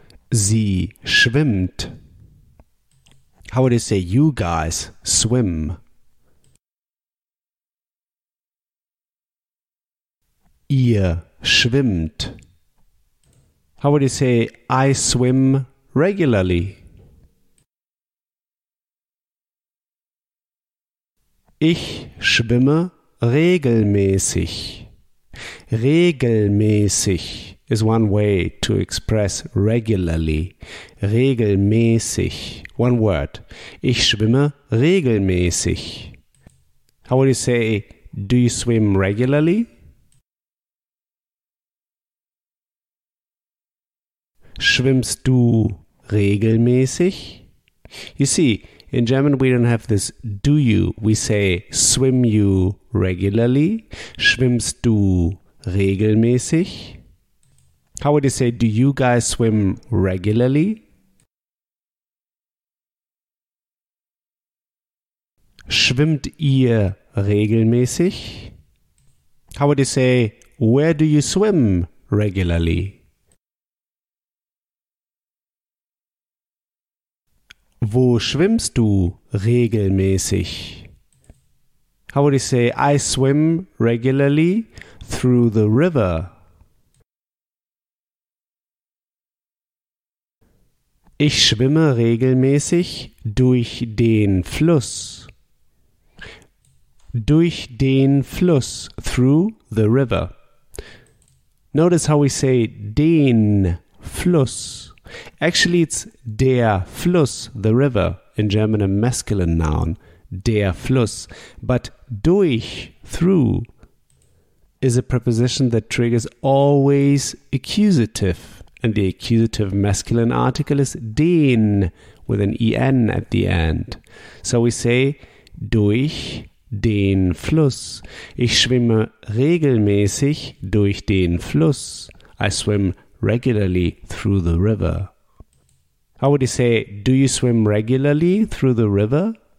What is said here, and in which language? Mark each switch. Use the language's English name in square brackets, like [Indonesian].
[German] Sie schwimmt. [English] How would you say you guys swim? [German] Ihr schwimmt. [English] How would you say I swim regularly? [German] Ich schwimme regelmäßig. [English] Regelmäßig is one way to express regularly. [German] Regelmäßig. [English] One word. [German] Ich schwimme regelmäßig. [English] How would you say, do you swim regularly? [German] Schwimmst du regelmäßig? [English] You see, in German we don't have this do you. We say swim you regularly. [German] Schwimmst du regelmäßig? [English] How would you say do you guys swim regularly? [German] Schwimmt ihr regelmäßig? [English] How would you say where do you swim regularly? [German] Wo schwimmst du regelmäßig? [English] How would you say, I swim regularly through the river? [German] Ich schwimme regelmäßig durch den Fluss. Durch den Fluss, [English] through the river. Notice how we say den Fluss. Actually, it's der Fluss, the river, in German a masculine noun, der Fluss. But durch, through, is a preposition that triggers always accusative. And the accusative masculine article is den, with an en at the end. So we say, [German] durch den Fluss. Ich schwimme regelmäßig durch den Fluss. [English] I swim regularly through the river. How would you say, do you swim regularly through the river?